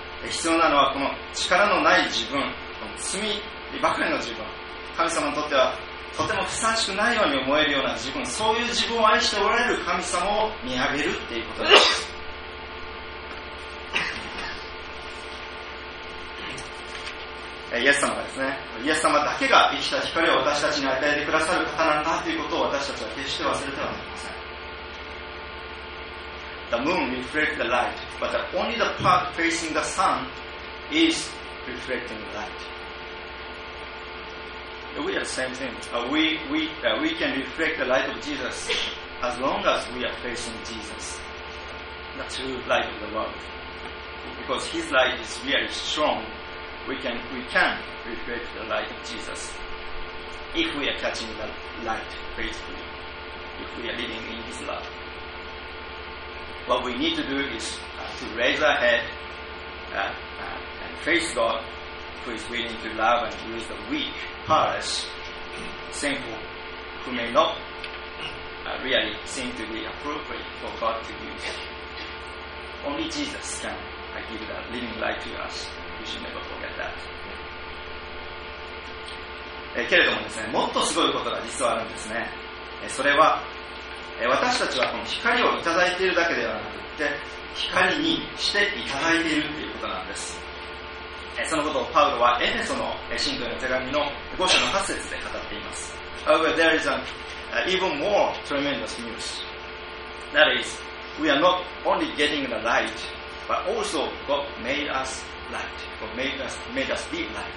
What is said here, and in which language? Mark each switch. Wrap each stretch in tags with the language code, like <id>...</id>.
<ja>必要なのはこの力のない自分、この罪ばかりの自分、神様にとってはとてもふさわしくないように思えるような自分、そういう自分を愛しておられる神様を見上げるっていうことです。イエス様がですね、イエス様だけが生きた光を私たちに与えてくださる方なんだということを私たちは決して忘れてはなりません。</ja> <en>The moon reflects the light, but only the part facing the sun is reflecting the light. We are the same thing. We can reflect the light of Jesus as long as we are facing Jesus, the true light of the world. Because His light is really strong, we can reflect the light of Jesus if we are catching the light faithfully, if we are living in His love. What we need to do is to raise our head and face God, who is willing to love and use the weak, powerless, sinful, who may not really seem to be appropriate for God to use. Only Jesus can give that living light to us. We should never forget that.</en> <ja>けれどもですね、もっとすごいことが実はあるんですね。それは、私たちはこの光をいただいているだけではなくて、光にしていただいているということなんです。そのことをパウロはエフェソの信徒の手紙の5章の8節で語っています。</ja> <en>However, there is an even more tremendous news. That is, we are not only getting the light, but also God made us light, God made us be light.</en>